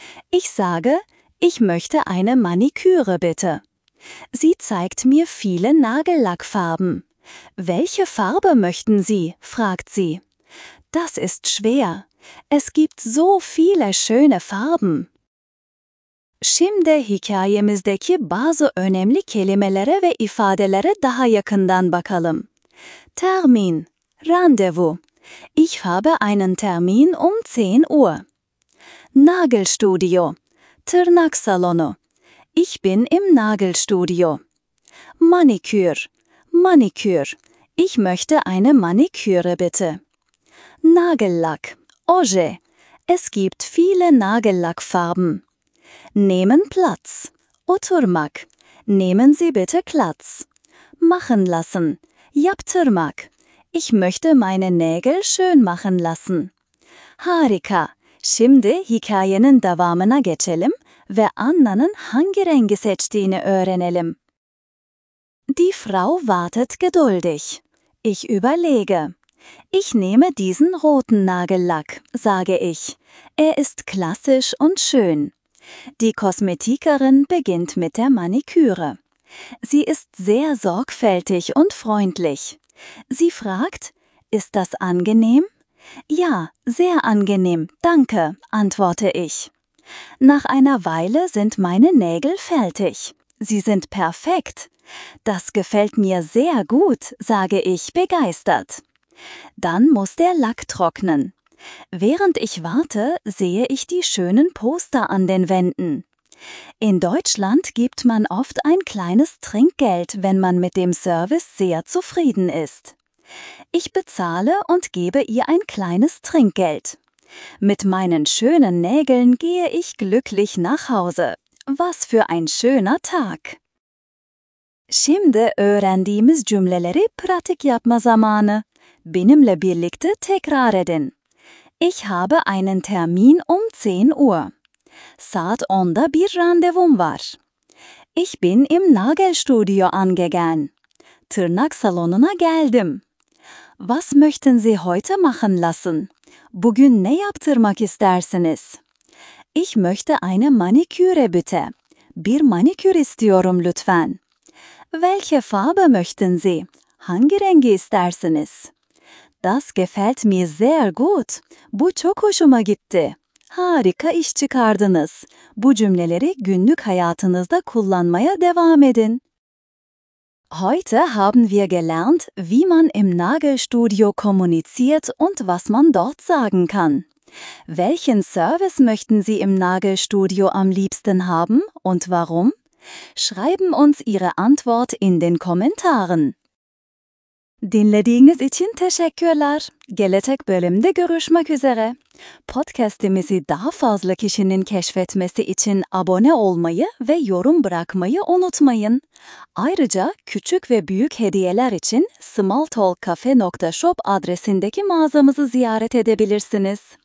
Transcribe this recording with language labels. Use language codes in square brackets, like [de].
[de] Ich sage, ich möchte eine Maniküre bitte. Sie zeigt mir viele Nagellackfarben. Welche Farbe möchten Sie? Fragt sie. Das ist schwer. Es gibt so viele schöne Farben. [tr] Şimdi hikayemizdeki bazı önemli kelimelere ve ifadelere daha yakından bakalım. [de] Termin, randevu. Ich habe einen Termin um 10 Uhr. Nagelstudio, [tr] tırnak salonu. [de] Ich bin im Nagelstudio. Manikür, manikür. Ich möchte eine Maniküre bitte. Nagellack, oje. Es gibt viele Nagellackfarben. Nehmen Platz. Oturmak. Nehmen Sie bitte Platz. Machen lassen. Yaptırmak. Ich möchte meine Nägel schön machen lassen. [tr] Harika. Şimdi hikayenin devamına geçelim ve Anna'nın hangi rengi seçtiğini öğrenelim. [de] Die Frau wartet geduldig. Ich überlege. Ich nehme diesen roten Nagellack, sage ich. Er ist klassisch und schön. Die Kosmetikerin beginnt mit der Maniküre. Sie ist sehr sorgfältig und freundlich. Sie fragt, ist das angenehm? Ja, sehr angenehm, danke, antworte ich. Nach einer Weile sind meine Nägel fertig. Sie sind perfekt. Das gefällt mir sehr gut, sage ich begeistert. Dann muss der Lack trocknen. Während ich warte, sehe ich die schönen Poster an den Wänden. In Deutschland gibt man oft ein kleines Trinkgeld, wenn man mit dem Service sehr zufrieden ist. Ich bezahle und gebe ihr ein kleines Trinkgeld. Mit meinen schönen Nägeln gehe ich glücklich nach Hause. Was für ein schöner Tag! [tr] Şimdi öğrendiğimiz cümleleri pratik yapma zamanı. Benimle birlikte tekrar edin. [de] Ich habe einen Termin um 10 Uhr. [tr] Saat 10'da bir randevum var. [de] Ich bin im Nagelstudio angegangen. [tr] Tırnak salonuna geldim. [de] Was möchten Sie heute machen lassen? [tr] Bugün ne yaptırmak istersiniz? [de] Ich möchte eine Maniküre bitte. [tr] Bir manikür istiyorum lütfen. [de] Welche Farbe möchten Sie? [tr] Hangi rengi istersiniz? [de] Das gefällt mir sehr gut. [tr] Bu çok hoşuma gitti. Harika iş çıkardınız. Bu cümleleri günlük hayatınızda kullanmaya devam edin. [de] Heute haben wir gelernt, wie man im Nagelstudio kommuniziert und was man dort sagen kann. Welchen Service möchten Sie im Nagelstudio am liebsten haben und warum? Schreiben uns Ihre Antwort in den Kommentaren. [tr] Dinlediğiniz için teşekkürler. Gelecek bölümde görüşmek üzere. Podcast'imizi daha fazla kişinin keşfetmesi için abone olmayı ve yorum bırakmayı unutmayın. Ayrıca küçük ve büyük hediyeler için smalltalkcafe.shop adresindeki mağazamızı ziyaret edebilirsiniz.